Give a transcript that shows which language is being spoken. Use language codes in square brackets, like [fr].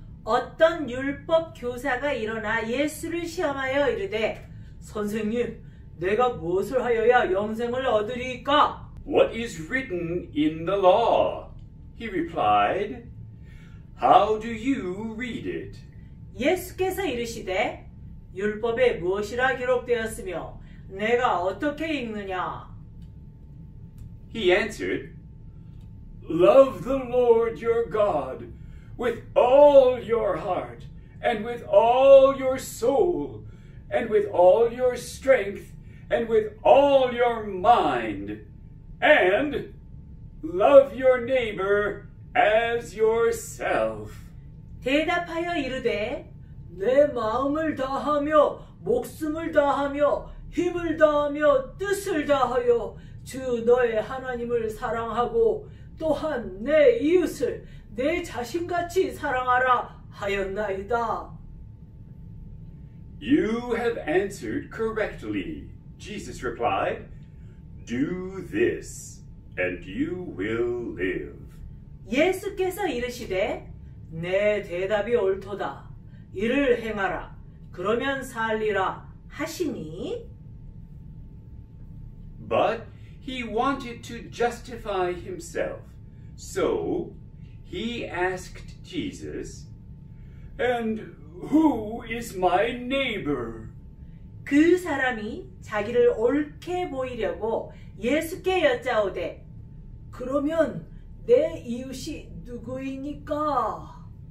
[ko] 어떤 율법 교사가 일어나 예수를 시험하여 이르되, 선생님, 내가 무엇을 하여야 영생을 얻으리까? [en] What is written in the law? He replied, How do you read it? [ko] 예수께서 이르시되, 율법에 무엇이라 기록되었으며, 내가 어떻게 읽느냐? [en] He answered, Love the Lord your God with all your heart and with all your soul and with all your strength and with all your mind, and love your neighbor as yourself. [ko] 대답하여 이르되, 내 마음을 다하며, 목숨을 다하며, 힘을 다하며, 뜻을 다하여 주 너의 하나님을 사랑하고 또한 내 이웃을 내 자신같이 사랑하라 하였나이다. [en] You have answered correctly. Jesus replied, Do this, and you will live. [ko] 예수께서 이르시되, 내 대답이 옳도다. 이를 행하라. 그러면 살리라 하시니? [en] But he wanted to justify himself. So he asked Jesus, And who is my neighbor? [ko] 그 사람이 자기를 옳게 보이려고 예수께 여짜오되 그러면 내 이웃이 누구이니까?